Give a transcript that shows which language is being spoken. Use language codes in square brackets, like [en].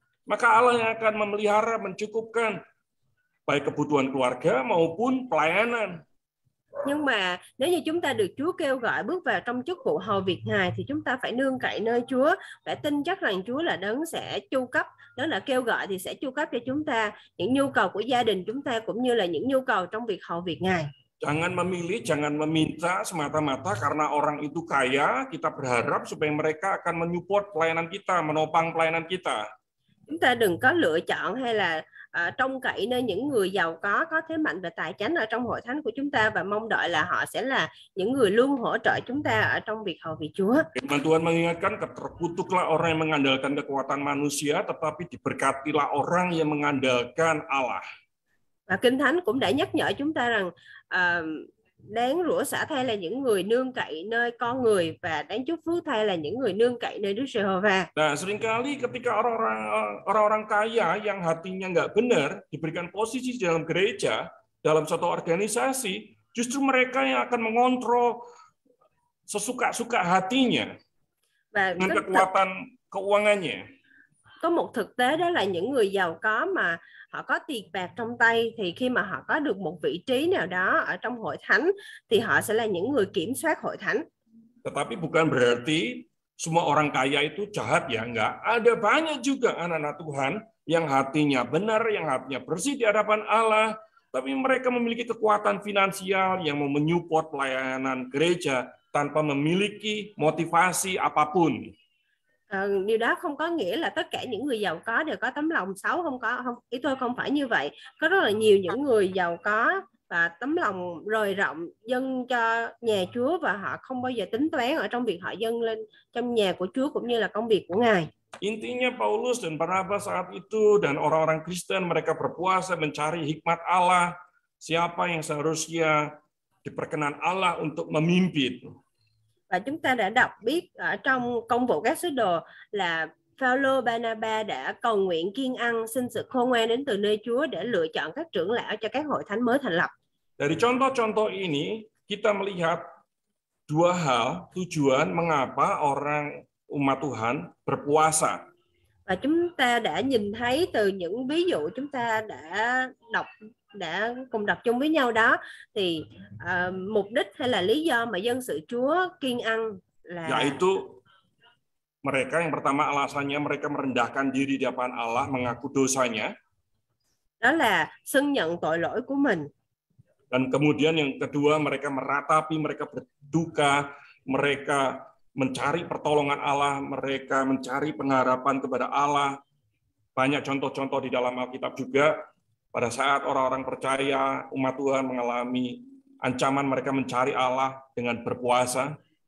[id] maka Allah yang akan memelihara, mencukupkan baik kebutuhan keluarga maupun pelayanan. [vi] Nhưng mà nếu như chúng ta được Chúa kêu gọi bước vào trong chức vụ hầu việc Ngài thì chúng ta phải nương cậy nơi Chúa, phải tin chắc rằng Chúa là đấng sẽ chu cấp, đấng là kêu gọi thì sẽ chu cấp cho chúng ta những nhu cầu của gia đình chúng ta cũng như là những nhu cầu trong việc hầu việc Ngài. [id] Jangan memilih, jangan meminta semata-mata karena orang itu kaya, kita berharap supaya mereka akan menyupport pelayanan kita, menopang pelayanan kita. [vi] Chúng ta đừng có lựa chọn hay là trông cậy nơi những người giàu có thế mạnh và tài chánh ở trong hội thánh của chúng ta và mong đợi là họ sẽ là những người luôn hỗ trợ chúng ta ở trong việc hầu việc Chúa. [id] Firman Tuhan mengingatkan, terkutuklah orang yang mengandalkan kekuatan manusia, tetapi diberkatilah orang yang mengandalkan Allah. [vi] Và Kinh Thánh cũng đã nhắc nhở chúng ta rằng đáng rủa sả thay là những người nương cậy nơi con người và đáng chúc phước thay là những người nương cậy nơi Đức Giê-hô-va. [id] Nah, seringkali ketika orang-orang kaya yang hatinya nggak benar diberikan posisi dalam gereja, dalam suatu organisasi, justru mereka yang akan mengontrol sesuka-suka hatinya và dengan kekuatan keuangannya. [vi] Có một thực tế đó là những người giàu có mà họ có tiền bạc trong tay thì khi mà họ có được một vị trí nào đó ở trong hội thánh thì họ sẽ là những người kiểm soát hội thánh. [id] Tetapi bukan berarti semua orang kaya itu jahat ya, enggak. Ada banyak juga anak-anak Tuhan yang hatinya benar, yang hatinya bersih di hadapan Allah, tapi mereka memiliki kekuatan finansial yang mau menyupport pelayanan gereja tanpa memiliki motivasi apapun. [vi] Điều đó không có nghĩa là tất cả những người giàu có đều có tấm lòng xấu, không có, không, ý tôi không phải như vậy. Có rất là nhiều những người giàu có và tấm lòng rời rộng dâng cho nhà Chúa và họ không bao giờ tính toán ở trong việc họ dâng lên trong nhà của Chúa cũng như là công việc của Ngài. [id] Intinya Paulus dan Barnabas saat itu dan orang-orang Kristen mereka berpuasa mencari hikmat Allah, siapa yang seharusnya diperkenan Allah untuk memimpin. [vi] Và chúng ta đã đọc biết ở trong công vụ các sứ đồ là Phaolô, Barnabas đã cầu nguyện kiên ăn xin sự khôn ngoan đến từ nơi Chúa để lựa chọn các trưởng lão cho các hội thánh mới thành lập. [id] Dari contoh-contoh ini kita melihat dua hal tujuan mengapa orang umat Tuhan berpuasa. [vi] Và chúng ta đã nhìn thấy từ những ví dụ chúng ta đã đọc đã cùng đọc chung với nhau đó thì mục đích hay là lý do mà dân sự Chúa kiêng ăn là [id] yaitu mereka yang pertama alasannya mereka merendahkan diri di hadapan Allah mengaku dosanya, [vi] đó là xưng nhận tội lỗi của mình, [id] dan kemudian yang kedua mereka meratapi, mereka berduka, mereka mencari pertolongan Allah, mereka mencari pengharapan kepada Allah. Banyak contoh-contoh di dalam Alkitab juga. Pada saat orang-orang percaya, umat Tuhan mengalami ancaman, mereka mencari Allah dengan berpuasa.